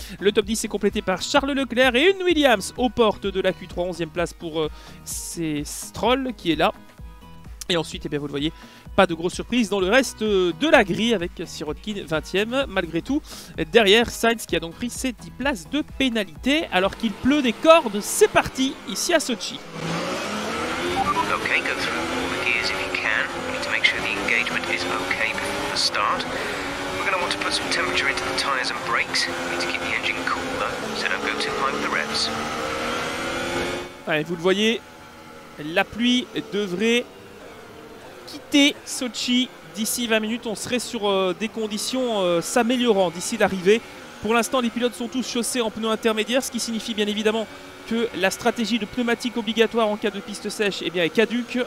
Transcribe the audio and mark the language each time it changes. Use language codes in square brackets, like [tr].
[fr] Le top 10 est complété par Charles Leclerc et une Williams aux portes de la Q3, 11e place pour Stroll qui est là. Et ensuite, eh bien, vous le voyez, pas de grosse surprise dans le reste de la grille avec Sirotkin 20e malgré tout. Derrière, Sainz qui a donc pris ses 10 places de pénalité alors qu'il pleut des cordes. C'est parti ici à Sochi. [en] Okay, go through all the gears if you can. We need to make sure the engagement is okay before the start. We're going to want to put some temperature into the tyres and brakes. We need to keep the engine cool though, so don't go too high with the revs. [fr] Allez, vous le voyez, la pluie devrait quitter Sochi d'ici 20 minutes. On serait sur des conditions s'améliorant d'ici l'arrivée. Pour l'instant, les pilotes sont tous chaussés en pneus intermédiaires, ce qui signifie bien évidemment que la stratégie de pneumatique obligatoire en cas de piste sèche eh bien, est caduque.